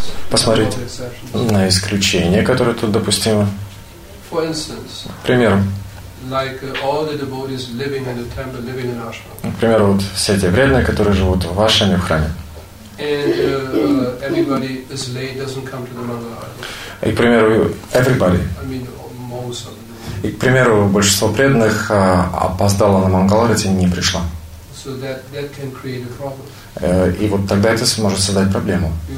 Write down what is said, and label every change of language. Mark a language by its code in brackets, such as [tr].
[ru] Посмотреть на исключения, которые тут допустимы. Пример. [en] Like all the devotees living in the temple, living in ashram. [ru] Например, вот все эти вредные, которые живут в ашраме, в храме. [en] And everybody is late, doesn't come to the mangala arati. [ru] И, к примеру, [en] everybody. I mean, most of them. [ru] И, к примеру, большинство преданных опоздало на мангала арати, не пришло. [en] So that can create a problem. [ru] И вот тогда это сможет создать проблему.